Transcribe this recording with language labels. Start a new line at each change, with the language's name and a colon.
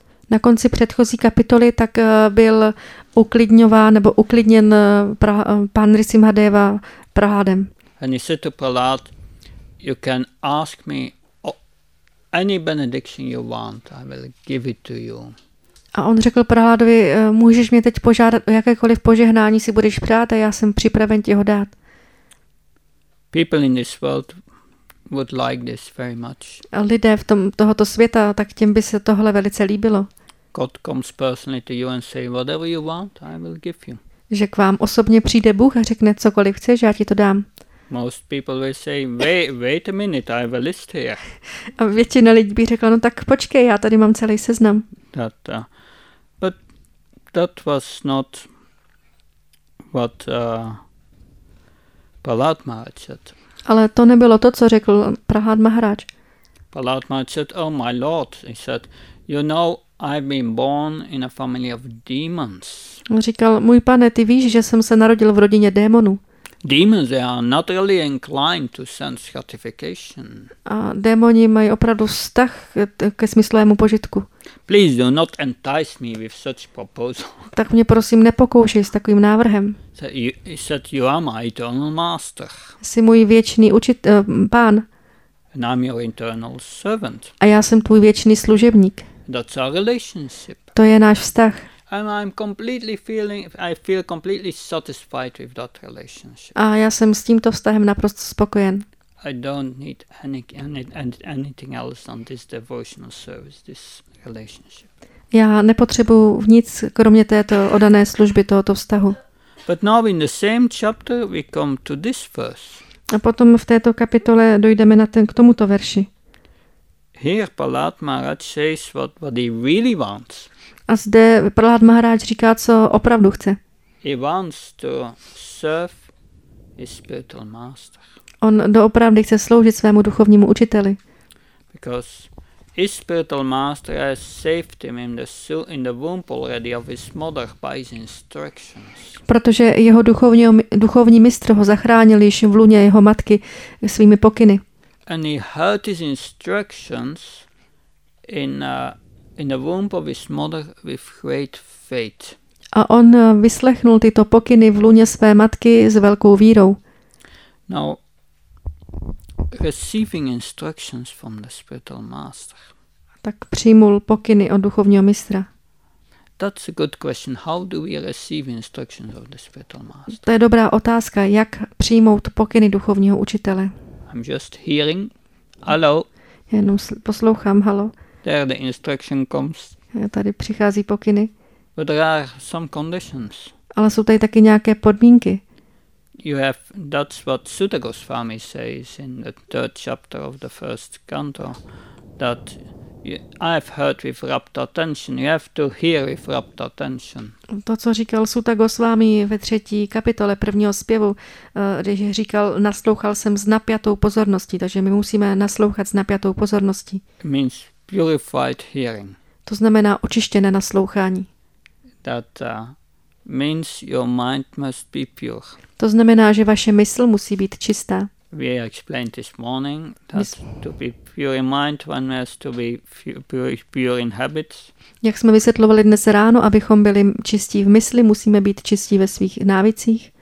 Czech: Na konci předchozí kapitoly tak byl uklidňován nebo uklidněn pán Narsimhadeva Prahládem.
English: And he said to Prahlad, you can ask me any benediction you want, I will give it to you.
Czech: A on řekl Prahládovi, můžeš mě teď požádat o jakékoliv požehnání si budeš přát a já jsem připraven ti ho dát.
English: People in this world would like this very much.
Czech: A lidé v tom tohoto světa, tak těm by se tohle velice líbilo.
English: God comes personally to you and say whatever you want, I will give you.
Czech: Že k vám osobně přijde Bůh a řekne cokoliv chceš, já ti to dám.
English: Most people will say wait a minute, I have a list here.
Czech: A většina lidí by řekla, no tak počkej, já tady mám celý seznam.
English: That, but that was not what Prahlad Maharaj said.
Czech: Ale to nebylo to, co řekl Prahlad Maharaj.
English: Prahlad Maharaj said, oh my lord, he said, you know, I've been born in a family of demons.
Czech: On říkal, můj pane, ty víš, že jsem se narodil v rodině démonů.
English: Demons, they are not really inclined to sense gratification.
Czech: A démoni mají opravdu vztah ke smyslovému požitku.
English: Please do not entice me with such proposal.
Czech: Tak mě prosím nepokoušej s takovým návrhem.
English: Said you are my eternal master.
Czech: Jsi můj věčný pán.
English: And I'm your eternal servant.
Czech: A já jsem tvůj věčný služebník.
English: That's our relationship.
Czech: To je náš vztah.
English: And I'm completely feeling, I feel completely satisfied with that relationship.
Czech: A já jsem s tímto vztahem naprosto spokojen.
English: I don't need anything else on this devotional service, this relationship.
Czech: Já nepotřebuji nic kromě této oddané služby tohoto vztahu.
English: But now in the same chapter we come to this verse.
Czech: A potom v této kapitole dojdeme na k tomuto verši.
English: Here Prahlad Maharaj says what he really wants.
Czech: A zde Prahlad Maharaj říká, co opravdu chce.
English: He wants to serve his spiritual master.
Czech: On doopravdy chce sloužit svému duchovnímu učiteli.
English: Because his spiritual master has saved him in the womb already of his mother by his instructions.
Czech: Protože jeho duchovní mistr ho zachránil již v lůně jeho matky svými pokyny.
English: And he heard his instructions in the womb of his mother with great faith.
Czech: A on vyslechnul tyto pokyny v lůně své matky s velkou vírou.
English: Now, receiving instructions from the spiritual master.
Czech: Tak přijmul pokyny od duchovního mistra.
English: That's a good question. How do we receive instructions of the spiritual master?
Czech: To je dobrá otázka, jak přijmout pokyny duchovního učitele.
English: I'm just hearing. Hello.
Czech: Jenom poslouchám, halo.
English: There the instruction comes.
Czech: Tady přichází pokyny.
English: But there are some conditions.
Czech: Ale jsou tady taky nějaké podmínky.
English: you have, that's what Sutta Goswami says in the third chapter of the first canto, that I've heard with rapt attention. You have to hear with rapt attention.
Czech: To, co říkal Sutta Goswami ve třetí kapitole prvního zpěvu, když říkal, naslouchal jsem s napjatou pozorností, takže my musíme naslouchat s napjatou pozorností.
English: It means purified hearing.
Czech: To znamená očištěné naslouchání.
English: That means your mind must be pure.
Czech: To znamená, že vaše mysl musí být čistá.
English: We explained this morning that to be pure in mind, one has to be pure in habits.
Czech: Jak jsme vysvětlovali dnes ráno, abychom byli čistí v mysli, musíme být čistí ve svých návycích.